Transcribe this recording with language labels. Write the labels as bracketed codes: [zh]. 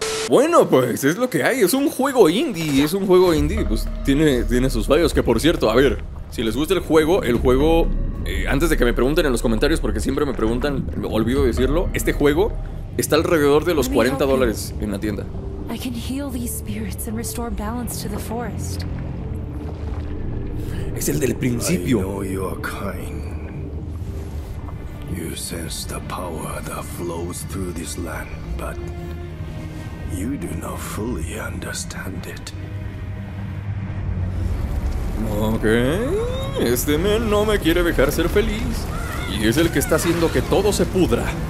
[es] Bueno, pues es lo que hay. Es un juego indie. Es un juego indie. Pues tiene sus fallos. Que por cierto, a ver, si les gusta el juego, antes de que me pregunten en los comentarios, porque siempre me preguntan, me olvido decirlo, este juego está alrededor de los $40 en la tienda. [en] I can heal these spirits and restore balance to the forest. [es] Es el del principio. [en] I know your kind. You sense the power that flows through this land, but you do not fully understand it. [es] Okay, este men no me quiere dejar ser feliz y es el que está haciendo que todo se pudra.